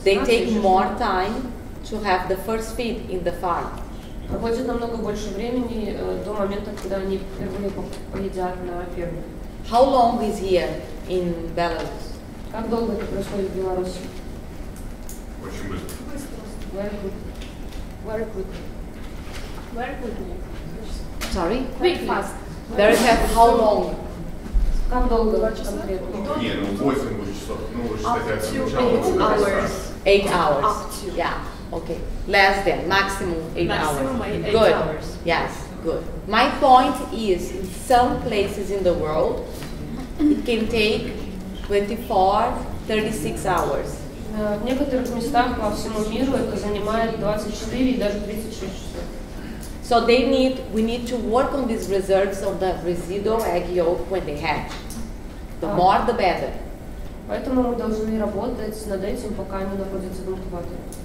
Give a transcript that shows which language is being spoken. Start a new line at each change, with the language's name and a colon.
English: they take more time to have the first feed in the farm.
Russian: Проходит намного больше времени до момента, когда они впервые поедят на ферме.
English: How long is here in Belarus?
Russian: Как долго это происходит в Беларуси? Очень быстро.
English: Very good. Sorry? Quick, fast. Very fast. How long?
Russian: Как долго? 2 часа?
English: Up to 8 hours. 8 hours. Up to. Yeah. Okay. Less than. Maximum 8 hours. Maximum 8 hours. Yes. Good. My point is, in some places in the world, it can take 24, 36 hours.
Russian: В некоторых местах по всему миру это занимает 24 и даже 36 часов.
English: So they need, we need to work on these reserves of the residual egg yolk when they hatch. The more, the better.
Russian: Поэтому мы должны работать над этим, пока они находятся в инкубаторе.